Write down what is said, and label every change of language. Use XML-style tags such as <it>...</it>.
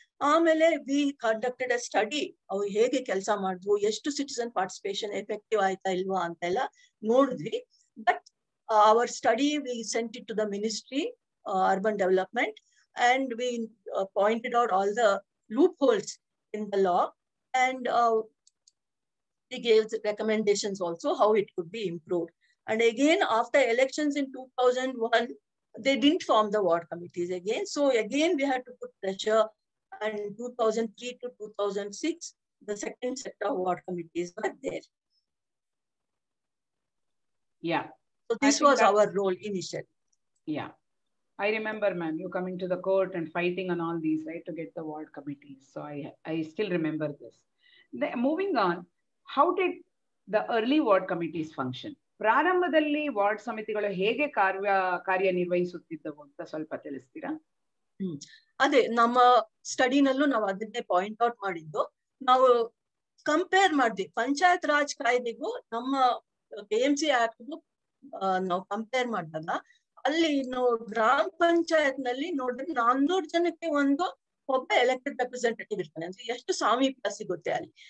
<kn>ಆಮೇಲೆ</kn> <en>we conducted a study,</en> <kn>ಅವ್ರು ಹೇಗೆ ಕೆಲಸ ಮಾಡಿದ್ವು, ಎಷ್ಟು ಸಿಟಿಸನ್ ಪಾರ್ಟಿಸಿಪೇಷನ್ ಎಫೆಕ್ಟಿವ್ ಆಯ್ತಾ ಇಲ್ವಾ ಅಂತೆಲ್ಲ ನೋಡಿದ್ವಿ.</kn> <en>But our study we sent it to the ministry urban development and we pointed out all the loopholes in the law and we gave recommendations also how it could be improved. And again after elections in 2001 they didn't form the ward committees again, so again we had to put pressure, and 2003 to 2006 the second set of ward committees were there. Yeah, so this was our role initially. Yeah, I remember, ma'am, you coming to the court and fighting on all these, right, to get the ward committees. So I still remember this. Then, moving on, how did the early ward committees function?</en> <kn>ಪ್ರಾರಂಭದಲ್ಲಿ ward ಸಮಿತಿಗಳು ಹೇಗೆ ಕಾರ್ಯನಿರ್ವಹಿಸುತ್ತಿದ್ದವು ಅಂತ ಸ್ವಲ್ಪ ತಿಳಿಸ್ತೀರಾ? ಅದೇ ನಮ್ಮ ಸ್ಟಡಿನಲ್ಲೂ ನಾವು ಅದನ್ನೇ ಪಾಯಿಂಟ್ ಔಟ್ ಮಾಡಿದ್ದು. ನಾವು ಕಂಪೇರ್ ಮಾಡಿದ್ವಿ ಪಂಚಾಯತ್ ರಾಜ್ ಕಾಯ್ದೆಗೂ ನಮ್ಮ ಕೆಎಂಸಿ ಆಕ್ಟ್ಗೂ ನಾವು ಕಂಪೇರ್ ಮಾಡಿದಾಗ ಅಲ್ಲಿ ನಾವು ಗ್ರಾಮ ಪಂಚಾಯತ್ನಲ್ಲಿ ನೋಡಿದ್ರೆ 400 ಜನಕ್ಕೆ ಒಬ್ಬ ಎಲೆಕ್ಟೆಡ್ ರೆಪ್ರೆಸೆಂಟೇಟಿವ್ ಇರ್ತಾನೆ, ಅಂದ್ರೆ ಎಷ್ಟು ಸಾಮೀಪ್ಯ ಸಿಗುತ್ತೆ ಅಲ್ಲಿ.</kn>